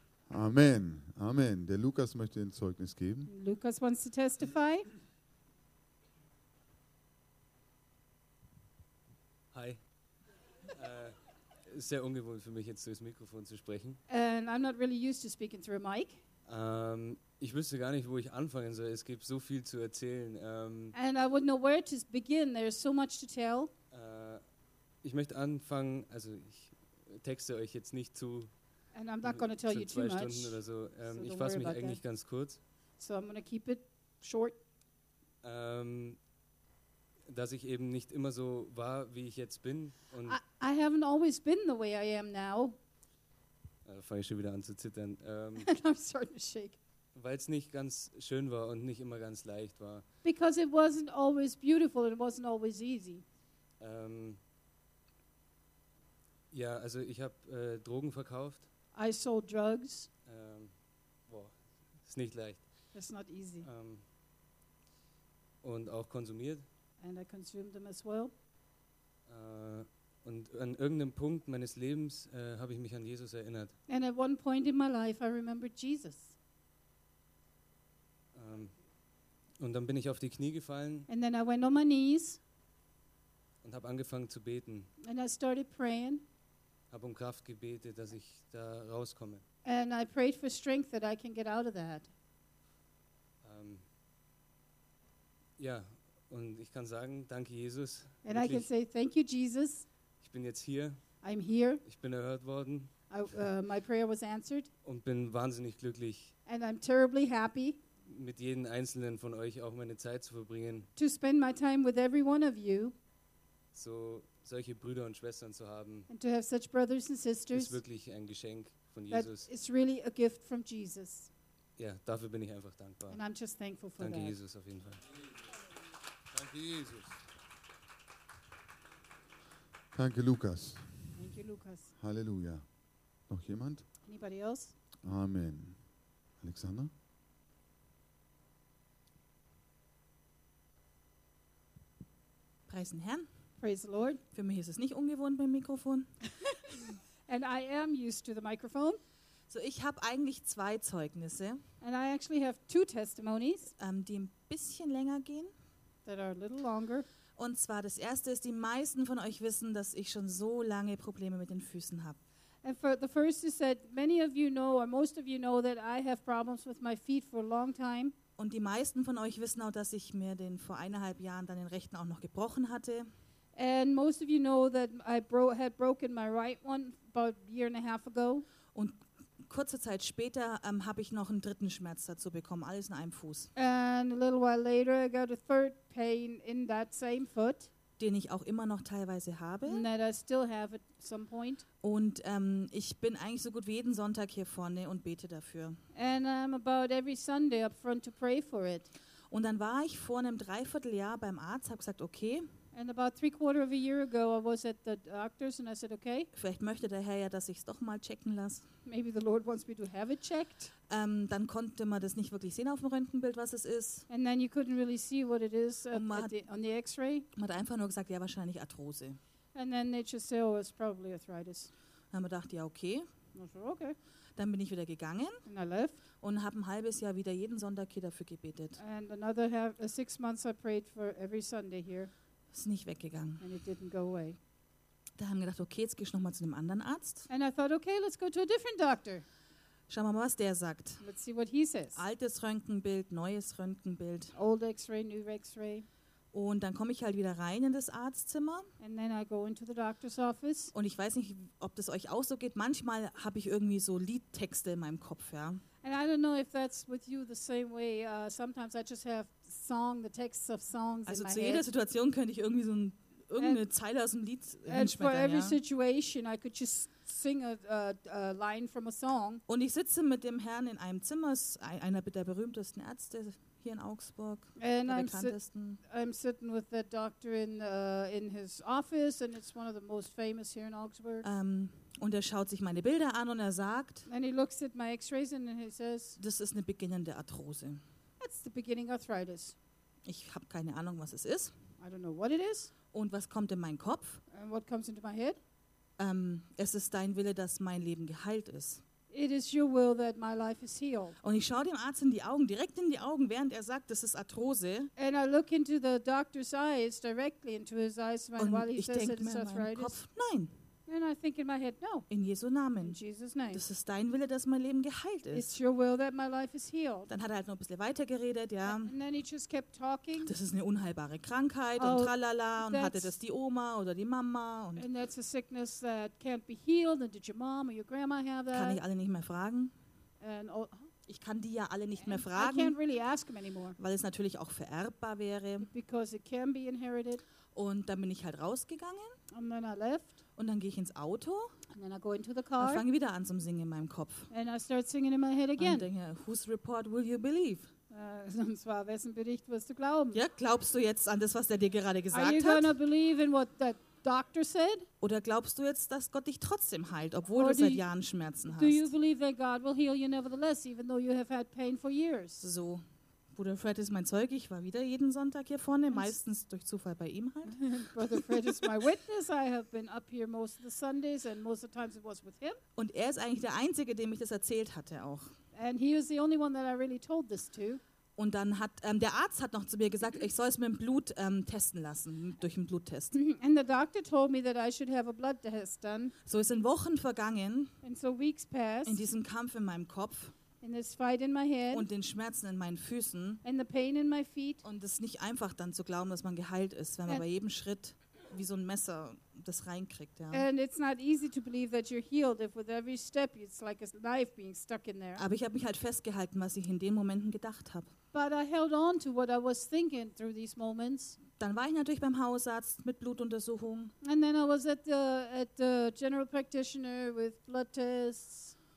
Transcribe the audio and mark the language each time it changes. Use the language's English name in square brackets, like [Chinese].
[German] Amen, Amen. Der Lukas möchte ein Zeugnis geben. [English] Lukas wants to testify. Hi. [German] Sehr ungewohnt für mich, jetzt durchs Mikrofon zu sprechen. [English] And I'm not really used to speaking through a mic. [German] Ich wüsste gar nicht, wo ich anfangen soll. Es gibt so viel zu erzählen. [English] And I wouldn't know where to begin. There's so much to tell. [German] Ich möchte anfangen, also ich texte euch jetzt nicht zu. [English] And I'm not going to tell you too much. [German] So. Ich fasse mich eigentlich ganz kurz. [English] So I'm going to keep it short. [German] Dass ich eben nicht immer so war, wie ich jetzt bin. Und [English] I haven't always been the way I am now. [German] Da fange ich schon wieder an zu zittern. [English] And I'm starting to shake. [German] Weil es nicht ganz schön war und nicht immer ganz leicht war. [English] Because it wasn't always beautiful and it wasn't always easy. [German] Ja, also ich habe Drogen verkauft. [English] I sold drugs. [German] Boah, ist nicht leicht. [English] It's not easy. [German] Und auch konsumiert. [English] And I consumed them as well. [German] Und an irgendeinem Punkt meines Lebens habe ich mich an Jesus erinnert. [English] And at one point in my life I remembered Jesus. [German] Und dann bin ich auf die Knie gefallen. [English] And then I went on my knees. [German] Und habe angefangen zu beten. [English] And I started praying. [German] Habe um Kraft gebetet, dass ich da rauskomme. [English] And I prayed for strength that I can get out of that. [German] Ja, und ich kann sagen, danke Jesus. [English] And [German] wirklich, [English] I can say thank you Jesus. [German] Ich bin jetzt hier. [English] I'm here. [German] Ich bin erhört worden. [English] My prayer was answered. [German] Und bin wahnsinnig glücklich. [English] And I'm terribly happy. [German] Mit jedem einzelnen von euch auch meine Zeit zu verbringen. [English] To spend my time with every one of you. [German] So solche Brüder und Schwestern zu haben, [English] and to have such brothers and sisters, [German] ist wirklich ein Geschenk von Jesus. [English] It's really a gift from Jesus. [German] Ja, dafür bin ich einfach dankbar. [English] And I'm just thankful for [German] danke [English] that. [German] Jesus auf jeden Fall. Danke Jesus. Danke Lukas. [English] Thank you, Lukas. [German] Halleluja. Noch jemand? [English] Anybody else? [German] Amen. Alexander? Preisen Herrn. [English] Praise the Lord. [German] Für mich ist es nicht ungewohnt beim Mikrofon. [English] And I am used to the microphone. [German] So, ich habe eigentlich zwei Zeugnisse. [English] And I actually have two testimonies. [German] Die ein bisschen länger gehen. [English] That are a little longer. [German] Und zwar das erste ist, die meisten von euch wissen, dass ich schon so lange Probleme mit den Füßen habe. [English] And for the first is that many of you know, or most of you know, that I have problems with my feet for a long time. [German] Und die meisten von euch wissen auch, dass ich mir den vor eineinhalb Jahren dann den rechten auch noch gebrochen hatte. [English] And most of you know that I had broken my right one about a year and a half ago. [German] Und kurze Zeit später habe ich noch einen dritten Schmerz dazu bekommen, alles in einem Fuß. [English] And a little while later I got a third pain in that same foot. [German] Den ich auch immer noch teilweise habe. [English] And I still have at some point. [German] Und ich bin eigentlich so gut wie jeden Sonntag hier vorne und bete dafür. [English] And I'm about every Sunday up front to pray for it. [German] Und dann war ich vor einem Dreivierteljahr beim Arzt, habe gesagt, okay. [English] And about three quarter of a year ago I was at the doctor's and I said, okay. [German] Vielleicht möchte der Herr ja, dass ich es doch mal checken lasse. [English] Maybe the Lord wants me to have it checked. [German] Dann konnte man das nicht wirklich sehen auf dem Röntgenbild, was es ist. [English] And then you couldn't really see what it is on the x-ray. [German] Man hat einfach nur gesagt, ja, wahrscheinlich Arthrose. [English] And then they just said, oh, it's probably arthritis. [German] Dann haben wir gedacht, ja, okay. [English] Okay. [German] Dann bin ich wieder gegangen und habe ein halbes Jahr wieder jeden Sonntag hier dafür gebetet. [English] And another half, 6 months I prayed for every Sunday here. [German] Ist nicht weggegangen. [English] And it didn't go away. [German] Da haben wir gedacht, okay, jetzt gehst du nochmal zu einem anderen Arzt. [English] And I thought, okay, let's go to a different doctor. [German] Schauen wir mal, was der sagt. [English] Let's see what he says. [German] Altes Röntgenbild, neues Röntgenbild. [English] Old x-ray, new x-ray. [German] Und dann komme ich halt wieder rein in das Arztzimmer. [English] And then I go into the doctor's office. [German] Und ich weiß nicht, ob das euch auch so geht. Manchmal habe ich irgendwie so Liedtexte in meinem Kopf, ja. [English] And I don't know if that's with you the same way. Sometimes I just have song, the texts of songs [German] also [English] in my [German] head. Also zu jeder Situation könnte ich irgendwie so ein, irgendeine Zeile aus dem Lied hinschmettern, [English] and for every [German] ja. [English] situation I could just sing a line from a song. [German] Und ich sitze mit dem Herrn in einem Zimmer, einer der berühmtesten Ärzte hier in Augsburg, [English] and [German] der [English] I'm [German] bekanntesten. [English] I'm sitting with that doctor in his office and it's one of the most famous here in Augsburg. [German] Und er schaut sich meine Bilder an und er sagt, [English] and he looks at my x-rays and he says, [German] das ist eine beginnende Arthrose. [English] That's the beginning arthritis. [German] Ich habe keine Ahnung, was es ist. [English] I don't know what it is. [German] Und was kommt in meinen Kopf? [English] And what comes into my head? [German] Es ist dein Wille, dass mein Leben geheilt ist. [English] It is your will that my life is healed. [German] Und ich schaue dem Arzt in die Augen, direkt in die Augen, während er sagt, das ist Arthrose. [English] And I look into the doctor's eyes, directly into his eyes, [German] und [English] while he [German] ich [English] says that it's arthritis. [German] In meinem Kopf, nein. [English] And I think in my head, no. [German] In Jesu Namen. [English] In Jesus name. [German] Das ist dein Wille, dass mein Leben geheilt ist. [English] It's your will that my life is healed. [German] Dann hat er halt noch ein bisschen weiter geredet, ja. [English] And then he just kept talking. [German] Das ist eine unheilbare Krankheit und tralala. Und hatte das die Oma oder die Mama? [English] And that's a sickness that can't be healed. And did your mom or your grandma have that? [German] Kann ich alle nicht mehr fragen? [English] And [German] ich kann die ja alle nicht mehr fragen. [English] I can't really ask them anymore. [German] Weil es natürlich auch vererbbar wäre. [English] Because it can be inherited. [German] Und dann bin ich halt rausgegangen. [English] And then I left. [German] Und dann gehe ich ins Auto [English] and then I go into the car, [German] und fange wieder an zum Singen in meinem Kopf. [English] And I start singing in my head again. [German] Und denke, [English] whose report will you believe? [German] Und zwar, wessen Bericht wirst du glauben? Ja, glaubst du jetzt an das, was der dir gerade gesagt hat? [English] Are you gonna believe in what the doctor said? [German] Oder glaubst du jetzt, dass Gott dich trotzdem heilt, obwohl du seit Jahren Schmerzen hast? [English] Do you believe that God will heal you nevertheless, even though you have had pain for years? [German] So. Bruder Fred ist mein Zeuge, ich war wieder jeden Sonntag hier vorne, meistens durch Zufall bei ihm halt. [English] Brother Fred is my witness, I have been up here most of the Sundays and most of the times it was with him. [German] Und er ist eigentlich der Einzige, dem ich das erzählt hatte auch. [English] And he was the only one that I really told this to. [German] Und dann hat, der Arzt hat noch zu mir gesagt, ich soll es mit dem Blut testen lassen, durch einen Bluttest. [English] And the doctor told me that I should have a blood test done. [German] So ist in Wochen vergangen, [English] and so weeks passed, [German] in diesem Kampf in meinem Kopf. [English] In this fight in my head, [German] und den Schmerzen in meinen Füßen [English] and the pain in my feet, [German] und es nicht einfach dann zu glauben, dass man geheilt ist, wenn man bei jedem Schritt wie so ein Messer das reinkriegt, ja. [English] And it's not easy to believe that you're healed if with every step it's like a knife being stuck in there. [German] Aber ich habe mich halt festgehalten, was ich in den Momenten gedacht habe. [English] But I held on to what I was thinking through these moments. [German] Dann war ich natürlich beim Hausarzt mit Blutuntersuchung. [English] And then I was at the general practitioner with blood tests.